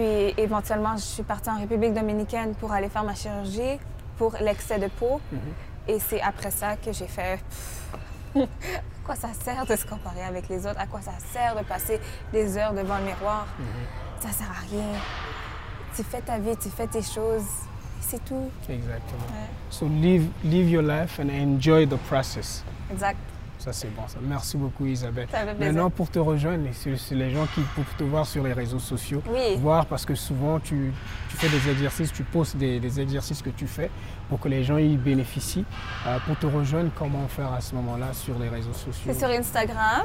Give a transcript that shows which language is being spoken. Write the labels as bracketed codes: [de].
[fr] Puis, éventuellement, je suis partie en République dominicaine pour aller faire ma chirurgie pour l'excès de peau. Mm-hmm. Et c'est après ça que j'ai fait... À quoi ça sert de se comparer avec les autres? À quoi ça sert de passer des heures devant le miroir? Mm-hmm. Ça sert à rien. Tu fais ta vie, tu fais tes choses, c'est tout. Exactement. Ouais. [en] So live your life and enjoy the process. [fr] Exact. Ça, c'est bon. Ça. Merci beaucoup, Isabelle. Ça fait plaisir. Maintenant, pour te rejoindre, c'est les gens qui peuvent te voir sur les réseaux sociaux. Oui. Voir, parce que souvent, tu fais des exercices, tu postes des exercices que tu fais pour que les gens y bénéficient. Pour te rejoindre, comment faire à ce moment-là sur les réseaux sociaux? C'est sur Instagram,